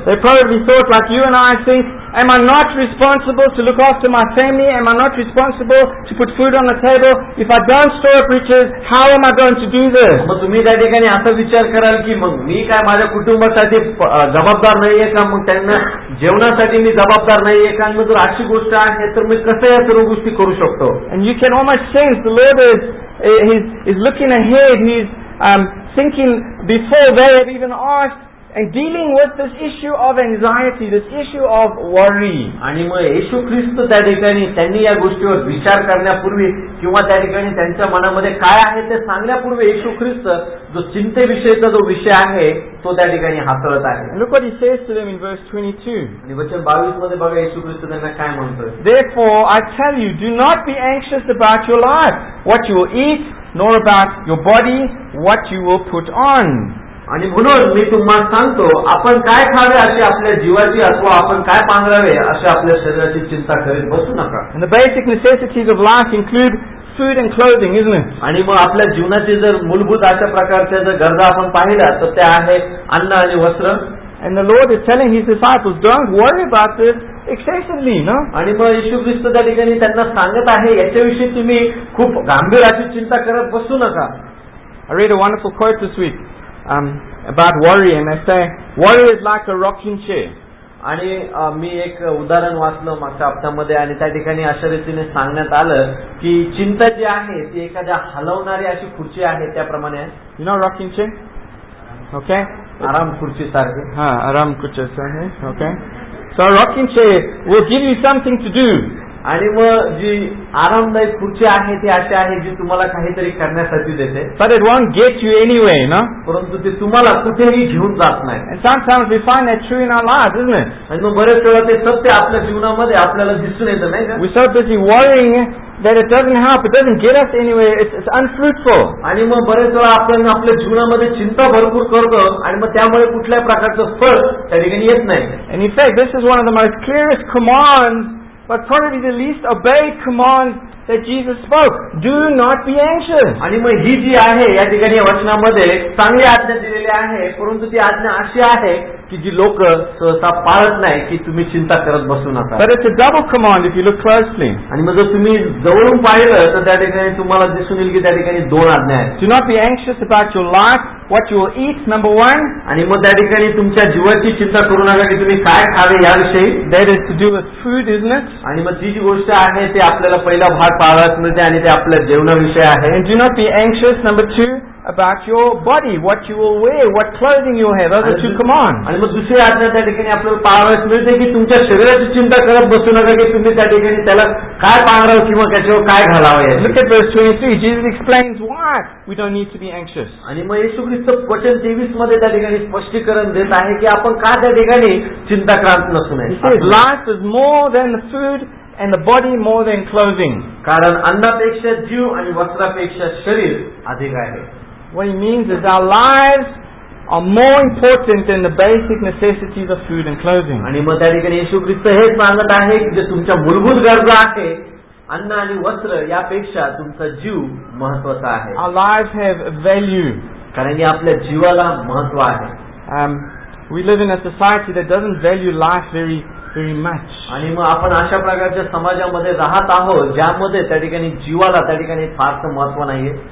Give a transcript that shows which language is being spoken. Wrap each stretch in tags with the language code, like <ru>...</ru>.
<en>They probably thought, like you and I think, am I not responsible to look after my family? Am I not responsible to put food on the table? If I don't store up riches, how am I going to do this?</en> <mr>मग तुम्ही त्या ठिकाणी असा विचार कराल की मग मी काय माझ्या कुटुंबासाठी जबाबदार नाहीये का, मग त्यांना जेवणासाठी मी जबाबदार नाहीये का, मग जर अशी गोष्ट आहे तर मी कसं या सर्व गोष्टी करू शकतो?</mr> <en>And you can almost sense the Lord is looking ahead. He's thinking before they have even asked and dealing with this issue of anxiety, this issue of worry.</en> <mr>आणि मग येशू ख्रिस्त त्या ठिकाणी त्यांनी या गोष्टीवर विचार करण्यापूर्वी किंवा त्या ठिकाणी त्यांच्या मनामध्ये काय आहे ते सांगण्यापूर्वी येशू ख्रिस्त जो चिंतेविषयीचा जो विषय आहे तो त्या ठिकाणी हाताळत आहे.</mr> <en>Look what he says to them in verse 22.</en> <mr>आणि वचन 22 मध्ये बघा येशू ख्रिस्त त्यांना काय म्हणतोय.</mr> <en>Therefore I tell you, do not be anxious about your life, what you will eat, nor about your body, what you will put on.</en> <mr>आणि म्हणून मी तुम्हाला सांगतो आपण काय खावे असे आपल्या जीवाची अथवा आपण काय पांघरावे असे आपल्या शरीराची चिंता करीत बसू नका.</mr> <en>And the basic necessities of life include food and clothing, isn't it?</en> <mr>आणि मग आपल्या जीवनाचे जर मूलभूत अशा प्रकारच्या जर गरजा आपण पाहिल्या तर त्या आहे अन्न आणि वस्त्र.</mr> <en>And the Lord is telling his disciples, don't worry about this excessively, no?</en> <mr>आणि मग येशू ख्रिस्त त्या ठिकाणी त्यांना सांगत आहे याच्याविषयी तुम्ही खूप गांभीर्याची चिंता करत बसू नका.</mr> <en>I read a wonderful quote this week about worry, and they say worry is like a rocking chair.</en> <mr>आणि मी एक उदाहरण वाचलं मागच्या हप्त्यामध्ये आणि त्या ठिकाणी अशा रीतीने सांगण्यात आलं की चिंता जी आहे ती एखाद्या हलवणारी अशी खुर्ची आहे त्याप्रमाणे.</mr> <en>you know rocking chair, okay,</en> <mr>आराम खुर्ची सारखी. हा, आराम खुर्ची आहे, okay.</mr> <en>So rocking chair will give you something to do.</en> <mr>आणि मग जी आरामदायी खुर्ची आहे ती अशी आहे जी तुम्हाला काहीतरी करण्यासाठी देते.</mr> <en>But it won't get you anywhere, no?</en> <mr>परंतु ती तुम्हाला कुठेही घेऊन जात नाही.</mr> <en>Sometimes we find that true in our lives, isn't it?</en> <mr>आणि मग बरेच वेळा ते सत्य आपल्या जीवनामध्ये आपल्याला दिसून येतं नाही का?</mr> <en>We start busy worrying that it doesn't help, it doesn't get us anywhere, it's unfruitful.</en> <mr>आणि मग बरेच वेळा आपण आपल्या जीवनामध्ये चिंता भरपूर करतो आणि मग त्यामुळे कुठल्याही प्रकारचं फळ त्या ठिकाणी येत नाही.</mr> <en>And in fact, this is one of the most clearest commands, but probably the least obeyed command that Jesus spoke. Do not be anxious.</en> <mr>आणि मग ही जी आहे या ठिकाणी वचनामध्ये चांगली आज्ञा दिलेली आहे, परंतु ती आज्ञा अशी आहे की जी लोक सहसा पाळत नाही की तुम्ही चिंता करत बसू नका.</mr> <en>But it's a double command if you look closely.</en> <mr>आणि मग जर तुम्ही जवळून पाहिलं तर त्या ठिकाणी तुम्हाला दिसून येईल की त्या ठिकाणी दोन आज्ञा आहेत.</mr> <en>Do not be anxious about your life, what you will eat, number one.</en> <mr>आणि मग त्या ठिकाणी तुमच्या जीवाची चिंता करू नका की तुम्ही काय खावे याविषयी.</mr> <en>That is to do with food, isn't it?</en> <mr>आणि मग ती जी गोष्ट आहे ते आपल्याला पहिला भाग पाळत मिळते आणि ते आपल्या जेवणाविषयी आहे.</mr> <en>Do not be anxious, number two, about your body, what you will wear, what clothing you have. Those are two commands.</en> <mr>आणि मग दुसरी आज्ञा त्या ठिकाणी आपल्याला पाळावयास मिळते की तुमच्या शरीराची चिंता करत बसू नका की तुम्ही त्या ठिकाणी त्याला काय पाळाव किंवा त्याच्यावर काय घालावे.</mr> <en>Look at verse 23. Jesus explains why we don't need to be anxious.</en> <mr>आणि मग येशू ख्रिस्त वचन 23 मध्ये त्या ठिकाणी स्पष्टीकरण देत आहे की आपण का त्या ठिकाणी चिंताक्रांत नसू नये.</mr> <en>Life is more than the food and the body more than clothing.</en> <mr>कारण अन्नापेक्षा जीव आणि वस्त्रापेक्षा शरीर अधिक आहे.</mr> <en>What he means is our lives are more important than the basic necessities of food and clothing.</en> <mr>आणि मग त्या ठिकाणी येशू ख्रिस्त हेच सांगत आहे की जे तुमच्या मूलभूत गरजा आहे अन्न आणि वस्त्र यापेक्षा तुमचा जीव महत्वाचा आहे.</mr> <en>Our lives have value.</en> <mr>कारण की आपल्या जीवाला महत्व आहे.</mr> <en>We live in a society that doesn't value life very much.</en> <mr>आणि मग आपण अशा प्रकारच्या समाजामध्ये राहत आहोत ज्यामध्ये त्या ठिकाणी जीवाला त्या ठिकाणी फारसं महत्व नाहीये.</mr>